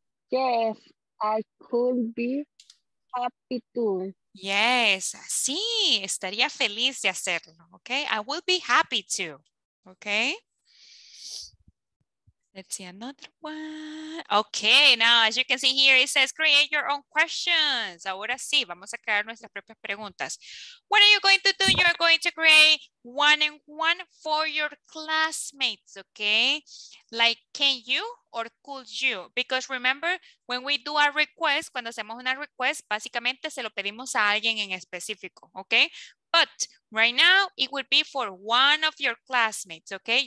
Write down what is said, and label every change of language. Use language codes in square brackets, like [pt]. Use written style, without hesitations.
[en] Yes, I could be happy to. [es] Yes, sí, estaría feliz de hacerlo. [en] Okay, I will be happy to. Okay. Let's see another one. Okay, now as you can see here, it says create your own questions. [es] Ahora sí, vamos a crear nuestras propias preguntas. [en] What are you going to do? You're going to create one and one for your classmates, okay? Like, can you or could you? Because remember, when we do a request, [es] cuando hacemos una request, básicamente se lo pedimos a alguien en específico, [en] okay? But right now, it will be for one of your classmates, okay?